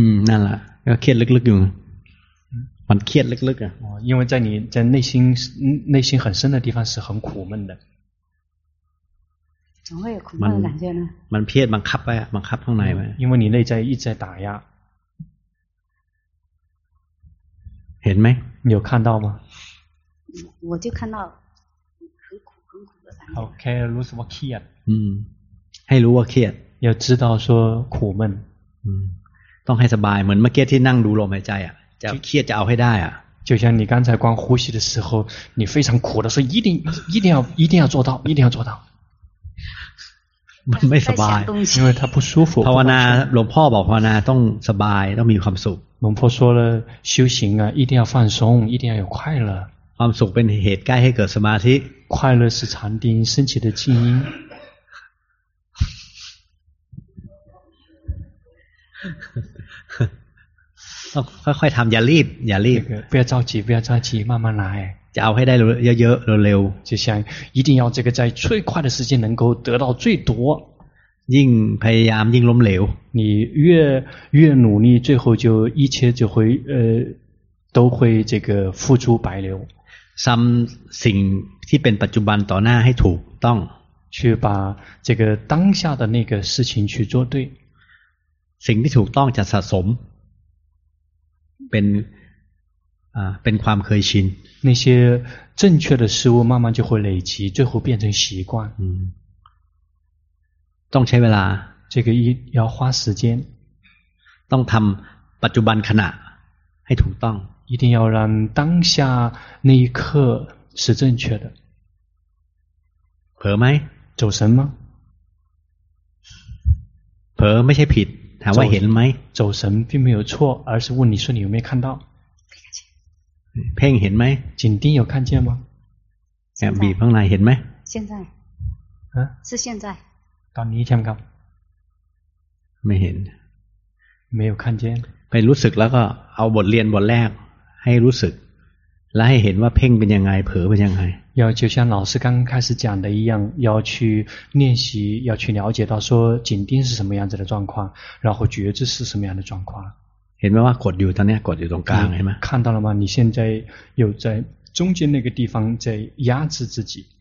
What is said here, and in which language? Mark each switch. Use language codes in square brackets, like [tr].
[th] นั่นแหละก็เครียดเลือกอยู่มันเครียดลึกๆอ่ [zh] ะ因为在你在内心很深的地方是很苦闷的总会有苦闷的感觉呢 [th] มันเครียดบังคับไปบังคับข้างในไป [zh] 因为你内在一直在打压 [th] เห็นไหม [zh] 有看到吗我就看到很苦的感觉好 [th] แค่รู้สึกว่าเครียด ให้รู้ว่าเครียด [zh] 要知道说苦闷 [th] ต้องให้สบายเหมือนเมื่อกี้ที่นั่งดูลมหายใจอ่ะจะเครียดจะเอาให้ได้อ่ะ [zh] 就像你刚才光呼吸的时候你非常苦的时候一定要做到一定要做到 [th] มันไม่สบาย [zh] 因为它不舒服 [th] ภาวนาหลวงพ่อบอกภาวนาต้องสบายต้องมีความสุข [zh] หลวงพ่อ说了修行啊一定要放松一定要有快乐 [th] ความสุขเป็นเหตุใกล้ให้เกิดสมาธิ [zh] 快乐是禅定升起的静音 [th] ค่อยๆทำอย่ารีบ [zh] 不要着急慢慢来 [th] จะเอาให้ได้เยอะๆเร็ว [zh] ๆ就像一定要这个在最快的时间能够得到最多 [th] ยิ่งพยายามยิ่งล้มเหลว [zh] 你越努力最后就一切就会都会这个付出白流 [th] ซ้ำสิ่งที่เป็นปัจจุบันต่อหน้าให้ถูกต้อง [zh] 去把这个当下的那个事情去做对 [th] สิ่งที่ถูกต้องจะสะสมเป็นความเคยชิน [zh] 那些正确的事物慢慢就会累积最后变成习惯 [th] ต้องใช้เวลา [zh] 这个一要花时间 [th] ต้องทำปัจจุบันขณะให้ถูกต้อง [zh] 一定要让当下那一刻是正确的 [th] เผลอไหม [zh] 走神吗 [th] เผลอไม่ใช่ผิดถามว่าเห็นไหม [zh] 走神并没有错而是问你说你有没有看到 [th] เพ่งเห็นไหม [zh] 紧盯有看见吗 [th] บีบข้างในเห็นไหม [zh] 现在是现在 [th] ตอนนี้ใช่ไหมครับ ไม่เห็น [zh] 没有看见 [th] ไปรู้สึกแล้วก็เอาบทเรียนบทแรกให้รู้สึกและให้เห็นว่าเพ่งเป็นยังไงเผลอเป็นยังไง [zh] 要就像老师刚开始讲的一样要去练习要去了解到说紧盯是什么样子的状况然后觉知是什么样的状况 [th] เห็นไหมว่ากดอยู่ตอนนี้กดอยู่ตรงกลางเห็นไหม [zh] 看到了吗你现在有在中间那个地方在压制自己